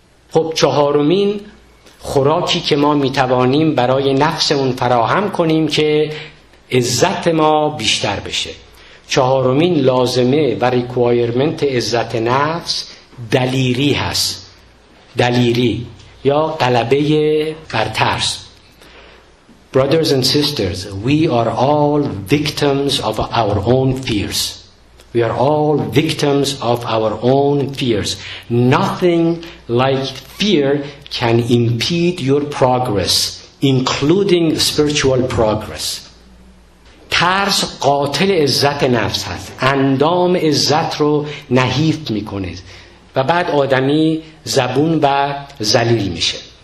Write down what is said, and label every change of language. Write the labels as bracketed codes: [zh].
[fa] خب چهارمین خوراکی که ما میتوانیم برای نفسمون فراهم کنیم که عزت ما بیشتر بشه، چهارمین لازمه و ریکوایرمنت عزت نفس دلیری هست. دلیری یا غلبه بر ترس. [en] Brothers and sisters, we are all victims of our own fears. We are all victims of our own fears. Nothing like fear can impede your progress, including spiritual progress. [fa] ترس قاتل عزت نفس هست. اندام عزت رو نحیف میکنه و بعد آدمی زبون و ذلیل میشه.